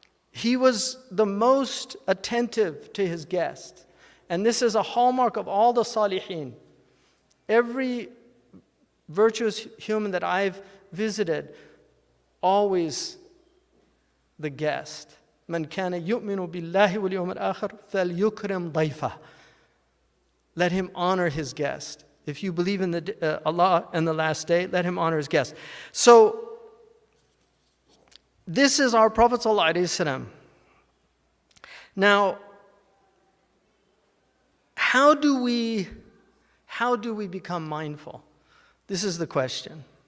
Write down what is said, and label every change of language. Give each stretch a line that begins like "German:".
English: He was the most attentive to his guest. And this is a hallmark of all the salihin. Every virtuous human that I've visited, always the guest.
Arabic: من كان يؤمن بالله واليوم الآخر فليكرم ضيفه.
English: Let him honor his guest. If you believe in the Allah and the last day, let him honor his guest. So this is our Prophet sallallahu alaihi wasallam. Now, how do we become mindful? This is the question.